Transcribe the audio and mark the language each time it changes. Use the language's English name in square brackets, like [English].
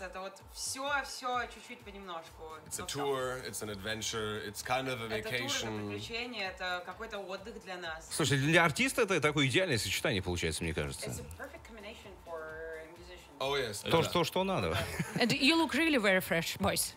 [Russian] Это вот все, чуть-чуть, понемножку. [English] It's a tour, it's an adventure, it's kind of a vacation. [Russian] Это тур, это приключение, это какой-то отдых для нас. Слушай, для артиста это такое идеальное сочетание получается, мне кажется. [English] It's a perfect combination for musicians. Oh, yes. [Russian] То, что надо. [English] And you look really very fresh, boys.